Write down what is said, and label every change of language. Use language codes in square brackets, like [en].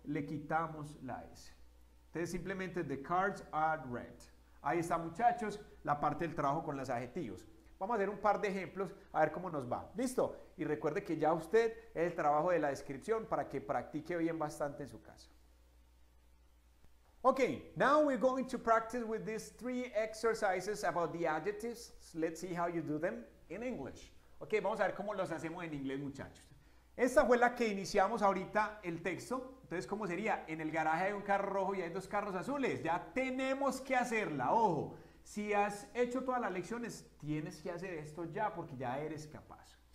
[es] Le quitamos la S. Entonces simplemente [en] the cars are red. [es] Ahí está, muchachos, la parte del trabajo con los adjetivos. Vamos a hacer un par de ejemplos a ver cómo nos va. ¿Listo? Y recuerde que ya usted es el trabajo de la descripción para que practique bien bastante en su casa. [en] Okay, now we're going to practice with these three exercises about the adjectives. Let's see how you do them in English. [es] Okay, vamos a ver cómo los hacemos en inglés, muchachos. Esta fue la que iniciamos ahorita el texto. Entonces, ¿cómo sería? En el garaje hay un carro rojo y hay dos carros azules. Ya tenemos que hacerla. Ojo, si has hecho todas las lecciones, tienes que hacer esto ya porque ya eres capaz.